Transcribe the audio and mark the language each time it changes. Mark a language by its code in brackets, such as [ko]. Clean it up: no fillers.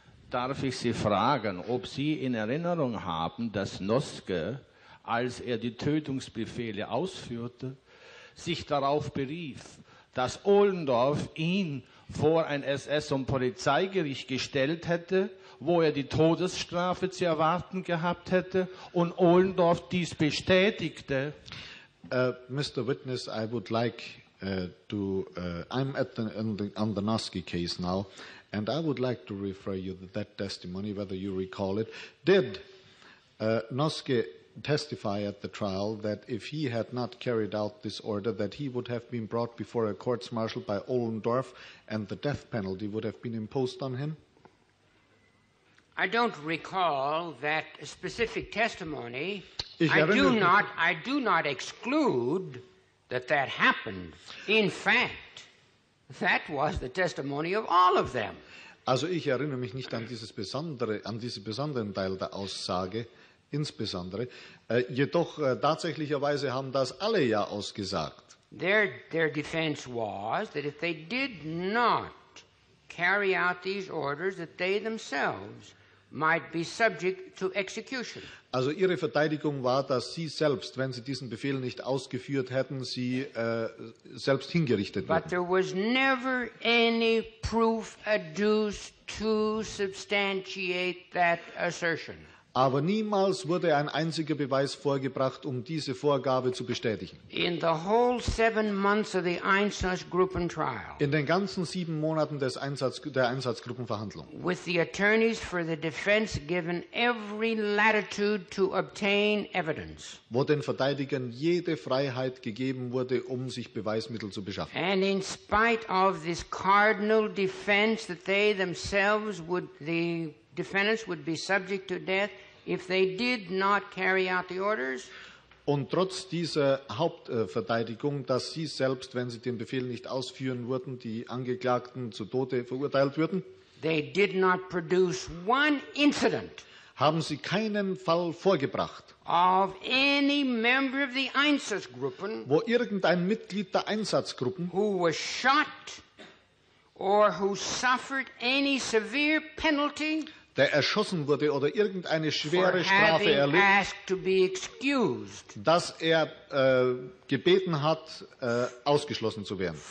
[de] Darf ich Sie fragen, ob Sie in Erinnerung haben, dass Noske, als er die Tötungsbefehle ausführte, sich darauf berief, dass Ohlendorf ihn vor ein SS- und Polizeigericht gestellt hätte, wo er die Todesstrafe zu erwarten gehabt hätte, und Ohlendorf dies bestätigte? [en] Mr. Witness, I would like to... I'm at the Noske case now, and I would like to refer you to that testimony, whether you recall it. Did Noske testify at the trial that if he had not carried out this order, that he would have been brought before a courts-martial by Ohlendorf and the death penalty would have been imposed on him? I don't recall that specific testimony. I do not exclude that that happened. In fact, that was the testimony of all of them. [de] Also ich erinnere mich nicht an dieses besondere, an diesen besonderen Teil der Aussage, insbesondere. Jedoch tatsächlicherweise haben das alle ja ausgesagt. [en] Their defense was that if they did not carry out these orders, that they themselves might be subject to execution. [de] Also ihre Verteidigung war, dass sie selbst, wenn sie diesen Befehl nicht ausgeführt hätten, sie selbst hingerichtet wurden. [en] But there was never any proof adduced to substantiate that assertion. [de] Aber niemals wurde ein einziger Beweis vorgebracht, um diese Vorgabe zu bestätigen. [en] In the whole 7 months of the Einsatzgruppen trial, [de] in den ganzen 7 Monaten des der Einsatzgruppenverhandlung, [en] with the attorneys for the defense given every latitude to obtain evidence, [de] wo den Verteidigern jede Freiheit gegeben wurde, um sich Beweismittel zu beschaffen. [en] And in spite of this cardinal defense that they themselves would the defendants would be subject to death if they did not carry out the orders. [de] Und trotz dieser Hauptverteidigung, dass sie selbst, wenn sie den Befehl nicht ausführen würden, die Angeklagten zu Tode verurteilt würden, [en] they did not produce one incident, [de] haben sie keinen Fall vorgebracht, [en] of any member of the Einsatzgruppen, [de] wo irgendein Mitglied der Einsatzgruppen, [en] who was shot or who suffered any severe penalty, [de] der erschossen wurde oder irgendeine schwere Strafe erlitt, dass er gebeten hat, ausgeschlossen zu werden